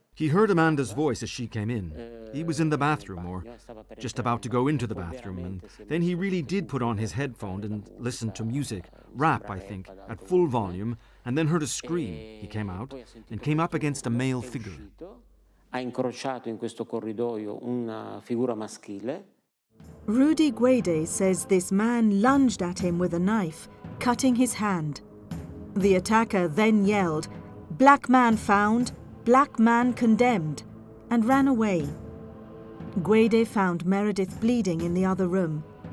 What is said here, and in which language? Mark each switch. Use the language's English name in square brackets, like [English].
[English] He heard Amanda's voice as she came in. He was in the bathroom, or just about to go into the bathroom, and then he really did put on his headphone and listened to music, rap, I think, at full volume, and then heard a scream. He came out and came up against a male figure. [Italian] Ha incrociato in questo corridoio una figura maschile. [English] Rudy Guede says this man lunged at him with a knife, cutting his hand. The attacker then yelled, "Black man found! Black man condemned," and ran away. Guede found Meredith bleeding in the other room.